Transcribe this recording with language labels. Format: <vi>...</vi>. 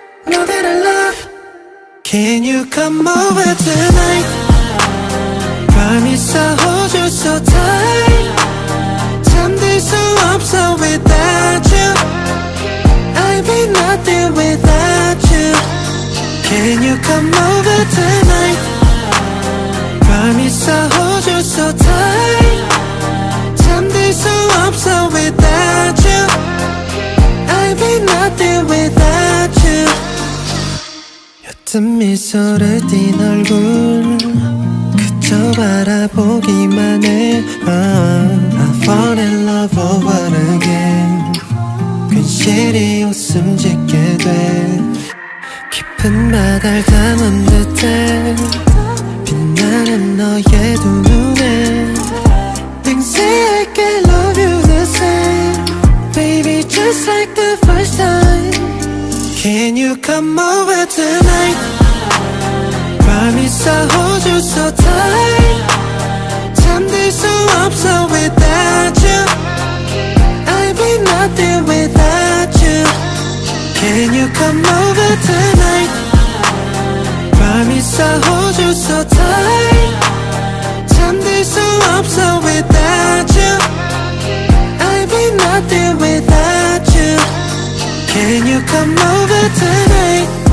<en>Know that I love. Can you come over tonight? Promise I'll hold you so tight.</en> <ko>잠들 수 없어</ko> <en>without you. I'd be nothing without you. Can you come over tonight? Promise I'll hold you so tight.</en> <ko>잠들 수 없어</ko> <en>without you. I'd be nothing without you.</en> <ko>옅은 미소를 띈 얼굴 바라보기만 해.</ko> <en>I fall in love over again.</en> <ko>괜시리 웃음 짓게 돼. 깊은 바다를 담은 듯해 빛나는 너의 두 눈에.</ko> <en>Things I can love you the same. Baby just like the first time. Can you come over tonight? Promise I'll hold you so tight.</en> <ko>잠들 수 없어</ko> <en>without you. I'd be nothing without you. Can you come over tonight? Promise I'll hold you so tight.</en> <ko>잠들 수 없어</ko> <en>without you. I'd be nothing without you. Can you come over tonight?</en>